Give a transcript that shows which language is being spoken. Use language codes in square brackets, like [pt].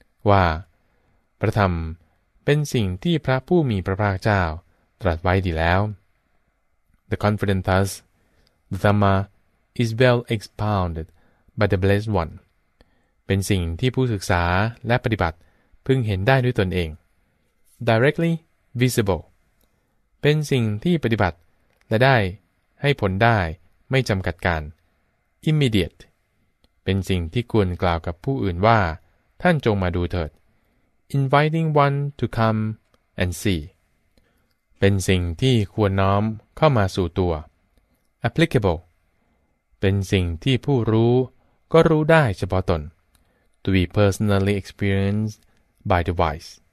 [th] ว่าพระธรรมเป็นสิ่งที่พระผู้มีพระภาคเจ้าตรัสไว้ดีแล้ว [en] The confident thus the Dhamma is well expounded by the Blessed One [th] เป็นสิ่งที่ผู้ศึกษาและปฏิบัติพึงเห็นได้ด้วยตนเอง [en] directly visible เ [th] เป็นสิ่งที่ปฏิบัติและได้ให้ผลได้ไม่จำกัดการ immediate เป็นสิ่งที่ควรกล่าวกับผู้อื่นว่าท่านจงมาดูเถิด [en] inviting one to come and see [th] เป็นสิ่งที่ควรน้อมเข้ามาสู่ตัว applicable เป็นสิ่งที่ผู้รู้ก็รู้ได้เฉพาะตน [en] to be personally experienced by the wise